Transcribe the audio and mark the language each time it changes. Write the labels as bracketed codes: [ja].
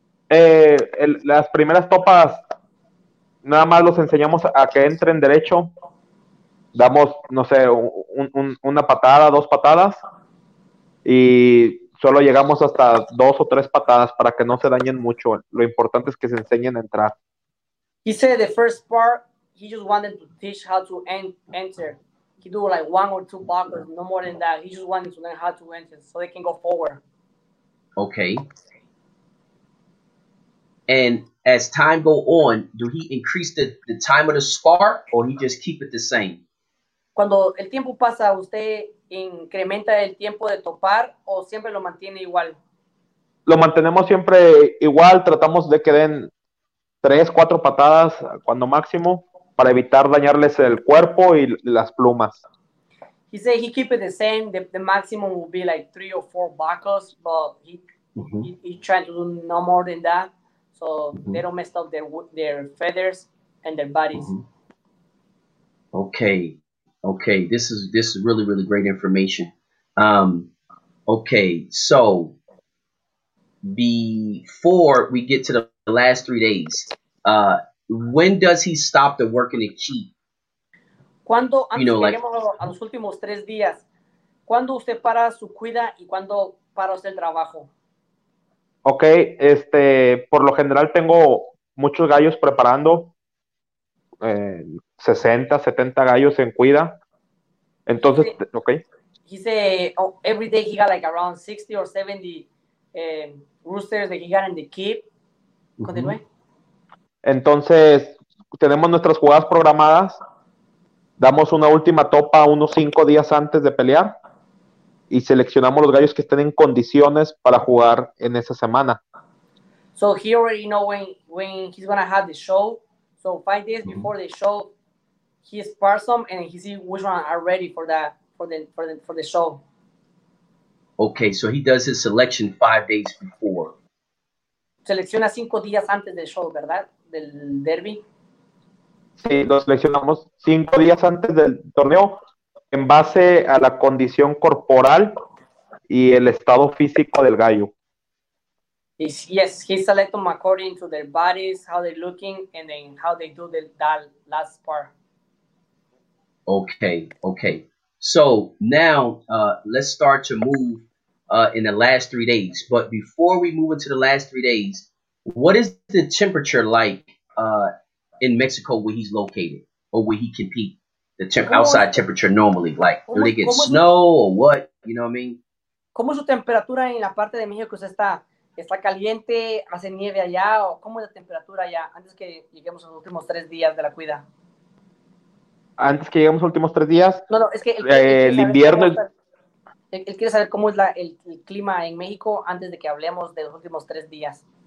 [es] Las primeras topas, nada más los enseñamos a que entren derecho. Damos, no sé, una patada, dos patadas. Y solo llegamos hasta dos o tres patadas para que no se dañen mucho. Lo importante es que se enseñen a entrar. [en] He said the first part, he just wanted to teach how to enter. He do like one or two buckles, no more than that. He just wanted to learn how to enter so they can go forward. Okay. And as time go on, do he increase the time of the spar or he just keep it the same? [es] Cuando el tiempo pasa, ¿usted incrementa el tiempo de topar o siempre lo mantiene igual? Lo mantenemos siempre igual. Tratamos de que den tres, cuatro patadas cuando máximo para evitar dañarles el cuerpo y las plumas. [en] He said he keep it the same. The maximum will be like three or four buckles, but he trying to do no more than that so they don't mess up their feathers and their bodies. Mm-hmm. Okay. Okay, this is really, really great information. Okay, so before we get to the last 3 days, when does he stop the work in the keep? [es] Cuando [en] you know, like, [es] a los últimos tres días, ¿cuándo usted para su cuida y cuándo para usted el trabajo? Okay, por lo general tengo muchos gallos preparando, 60, 70 gallos en cuida. Entonces, okay. [en] He said every day he got like around 60 or 70 roosters that he got in the keep. [es] Continúe. Entonces, tenemos nuestras jugadas programadas. Damos una última topa unos 5 días antes de pelear. Y seleccionamos los gallos que estén en condiciones para jugar en esa semana. [en] So he already know when he's going to have the show. So 5 days before the show, he spars them and he sees which one are ready for the show. Okay, so he does his selection 5 days before. [es] Selecciona 5 días antes del show, ¿verdad? Del derby. Sí, lo seleccionamos 5 días antes del torneo en base a la condición corporal y el estado físico del gallo. [en] Yes, he select them according to their bodies, how they're looking, and then how they do that last part. Okay. So now let's start to move in the last 3 days. But before we move into the last 3 days, what is the temperature like in Mexico where he's located or where he compete? The outside temperature normally, like do they get snow or what? You know what I mean? [es] ¿Cómo es su temperatura en la parte de México que usted está? ¿Está caliente? ¿Hace nieve allá? ¿O cómo es la temperatura allá antes que lleguemos a los últimos 3 días de la cuida? Antes que lleguemos a los últimos 3 días. No, es que el invierno. Él quiere saber cómo es el clima en México antes de que hablemos de los últimos 3 días.